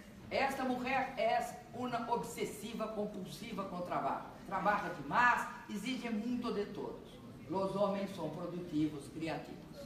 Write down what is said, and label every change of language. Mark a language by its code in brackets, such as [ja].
[es] Esta mujer es una obsesiva compulsiva con trabajo. [pt] Trabaja demais, exige muito de todos. [es] Los hombres son productivos, creativos.